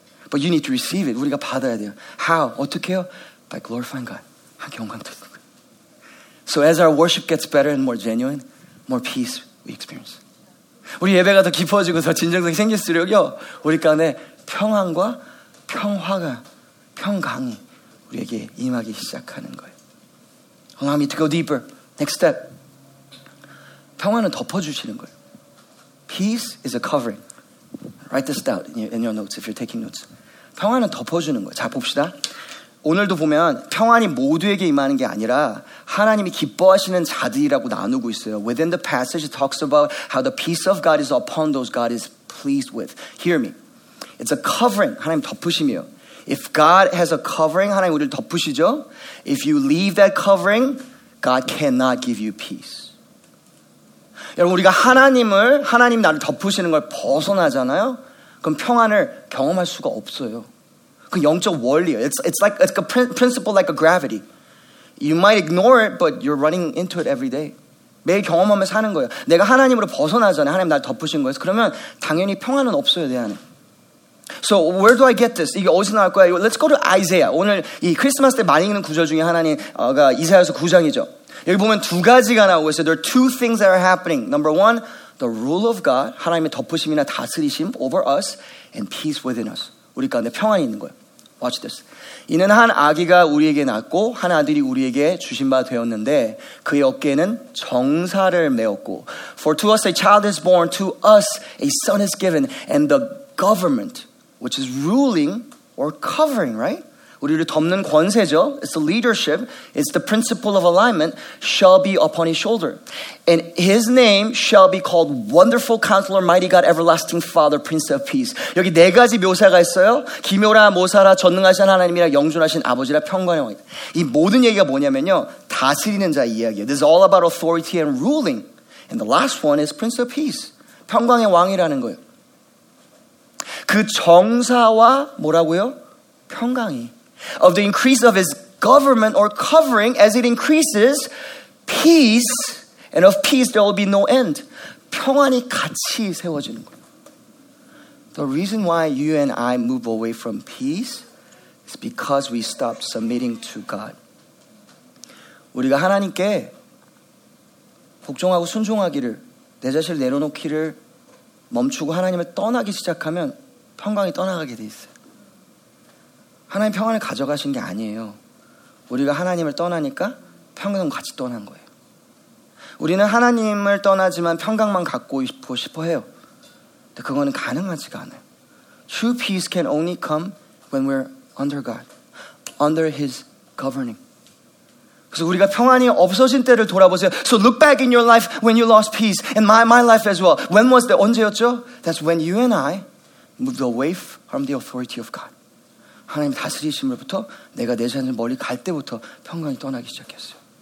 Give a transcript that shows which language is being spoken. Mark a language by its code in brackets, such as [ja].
[en] But you need to receive it. [ko] 우리가 받아야 돼요. [en] How? [ko] 어떻게요? [en] By glorifying God. So as our worship gets better and more genuine, more peace we experience. [ko] 우리 예배가 더 깊어지고 더 진정성이 생길수록요, 우리 가운데 평안과 평화가, 평강이 우리에게 임하기 시작하는 거예요. [en] Allow me to go deeper. Next step. [ko] 평화는 덮어주시는 거예요. [en] Peace is a covering. Write this down in your notes if you're taking notes. [ko] 평화는 덮어주는 거예요. 자, 봅시다. 오늘도 보면 평안이 모두에게 임하는 게 아니라 하나님이 기뻐하시는 자들이라고 나누고 있어요. [en] Within the passage, it talks about how the peace of God is upon those God is pleased with. Hear me. It's a covering. [ko] 하나님 덮으심이요. [en] If God has a covering, [ko] 하나님 우리를 덮으시죠? [en] If you leave that covering, God cannot give you peace. [ko] 여러분, 우리가 하나님을, 하나님 나를 덮으시는 걸 벗어나잖아요? 그럼 평안을 경험할 수가 없어요. 그 영적 원리예요. [en] It's like a principle like a gravity. You might ignore it, but you're running into it every day. [ko] 매일 경험하며 사는 거예요. 내가 하나님으로 벗어나잖아요. 하나님 날 덮으신 거예요. 그러면 당연히 평안은 없어요, 내 안에. [en] So where do I get this? [ko] 이게 어디서 나올 거야? [en] Let's go to Isaiah. [ko] 오늘 이 크리스마스 때 많이 읽는 구절 중에 하나님가 이사야서 9장이죠. 여기 보면 두 가지가 나오고 있어요. [en] There are two things that are happening. Number one, the rule of God, [ko] 하나님의 덮으심이나 다스리심 [en] over us and peace within us. [ko] 우리 가운데 평안이 있는 거예요. [en] Watch this. [ko] 이는 한 아기가 우리에게 낳고 한 아들이 우리에게 주신 바 되었는데 그의 어깨에는 정사를 메었고 [en] For to us a child is born, to us a son is given, and the government, which is ruling or covering, right? [ko] 우리를 덮는 권세죠. [en] It's the leadership. It's the principle of alignment shall be upon his shoulder. And his name shall be called Wonderful Counselor, Mighty God, Everlasting Father, Prince of Peace. [ko] 여기 네 가지 묘사가 있어요. 기묘라, 모사라, 전능하신 하나님이라, 영존하신 아버지라, 평강의 왕이다. 이 모든 얘기가 뭐냐면요. 다스리는 자 이야기예요. [en] This is all about authority and ruling. And the last one is Prince of Peace. [ko] 평강의 왕이라는 거예요. 그 정사와 뭐라고요? 평강이. [en] Of the increase of his government or covering, as it increases, peace And of peace, there will be no end. [ko] 평안이 같이 세워지는 거예요. [en] The reason why you and I move away from peace is because we stop submitting to God. [ko] 우리가 하나님께 복종하고 순종하기를, 내 자신을 내려놓기를 멈추고 하나님을 떠나기 시작하면 평강이 떠나가게 돼 있어요. 하나님 평안을 가져가신 게 아니에요. 우리가 하나님을 떠나니까 평강은 같이 떠난 거예요. 우리는 하나님을 떠나지만 평강만 갖고 싶어 해요. 근데 그거는 가능하지가 않아요. [en] True peace can only come when we're under God, under His governing. [ko] 그래서 우리가 평안이 없어진 때를 돌아보세요. [en] So look back in your life when you lost peace, and my life as well. When was that? [ko] 언제였죠? [en] That's when you and I moved away from the authority of God. [ko] 하나님 다스리심으로부터 내가 내 자신을 멀리 갈 때부터 평강이 떠나기 시작했어요.